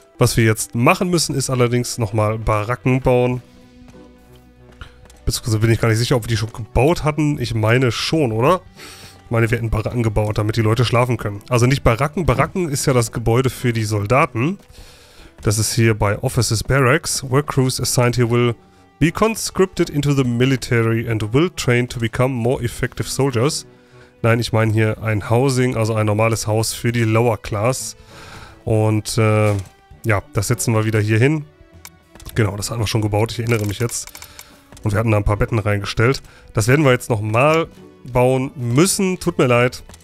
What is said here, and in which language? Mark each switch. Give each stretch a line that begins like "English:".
German: Was wir jetzt machen müssen, ist allerdings nochmal Baracken bauen. Beziehungsweise bin ich gar nicht sicher, ob wir die schon gebaut hatten. Ich meine schon, oder? Ich meine, wir hätten Baracken gebaut, damit die Leute schlafen können. Also nicht Baracken. Baracken ist ja das Gebäude für die Soldaten. Das ist hier bei Officers Barracks.
English: Work crews assigned here will be conscripted into the military and will train to become more effective soldiers.
German: Nein, ich meine hier ein Housing, also ein normales Haus für die Lower Class. Und ja, das setzen wir wieder hier hin. Genau, das hatten wir schon gebaut, ich erinnere mich jetzt. Und wir hatten da ein paar Betten reingestellt. Das werden wir jetzt nochmal bauen müssen. Tut mir leid.